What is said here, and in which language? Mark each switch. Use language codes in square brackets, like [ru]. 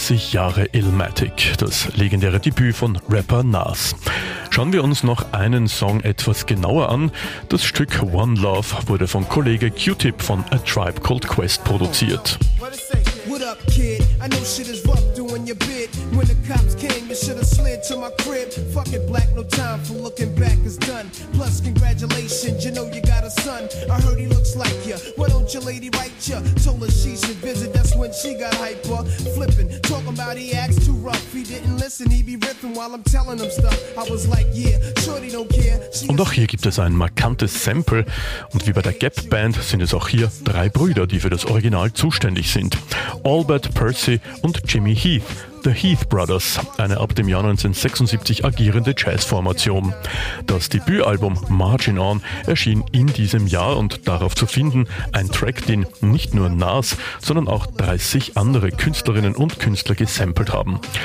[de] Jahre Illmatic, das legendäre Debüt von Rapper Nas. Schauen wir uns noch einen Song etwas genauer an. Das Stück One Love wurde von Kollege Q-Tip von A Tribe Called Quest produziert. [en] What up, kid? I know shit is rough doing your bit. When the cops came, you should have slid to my crib. Fuck it, black, no time for looking back is done. Plus, congratulations, you know you got a son. I heard he looks like you. Why don't your lady write you? Told her she should visit, that's when she got hyper. Flipping, talking about he acts too rough. He didn't listen, he be ripping while I'm telling him stuff. I was like, yeah, shorty don't care. [de] Und auch hier gibt es ein markantes Sample. Und wie bei der Gap Band sind es auch hier drei Brüder, die für das Original zuständig sind. Albert, Percy und Jimmy Heath, The Heath Brothers, eine ab dem Jahr 1976 agierende Jazzformation. Das Debütalbum Margin On erschien in diesem Jahr und darauf zu finden ein Track, den nicht nur Nas, sondern auch 30 andere Künstlerinnen und Künstler gesampelt haben.